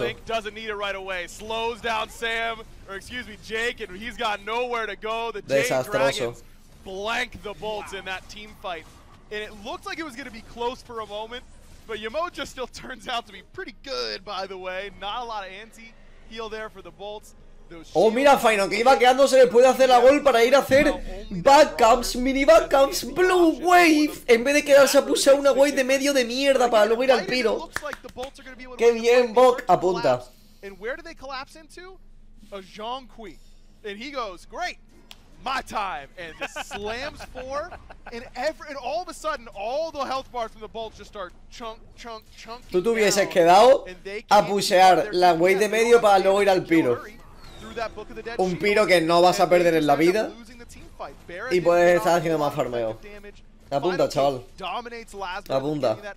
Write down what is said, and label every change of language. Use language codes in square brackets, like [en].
[en] Blink doesn't need it right away. Slows down Sam, or excuse me, Jake, and he's got nowhere to go. The Jade [es] desastroso. [en] Dragons blank the Bolts in that teamfight. And it looked like it was going to be close for a moment, but Yamocha still turns out to be pretty good, by the way. Not a lot of anti-heal there for the Bolts. [es] Oh, mira, Fine, aunque iba quedándose después de hacer la gol para ir a hacer backcamps, mini backcamps, blue wave. En vez de quedarse a pulsar una wave de medio de mierda para luego ir al piro. Qué bien, Bok apunta. [en] And where do they collapse into? A Jonquil. And he goes, great, my time. And slams four. And all of a sudden, all the health bars from the bolts just start chunk, chunk, chunk. [es] Tú te hubieses quedado a pulsar la wave de medio para luego ir al piro. Un piro que no vas a perder en la vida y puedes estar haciendo más farmeo. Apunta, chaval. Apunta.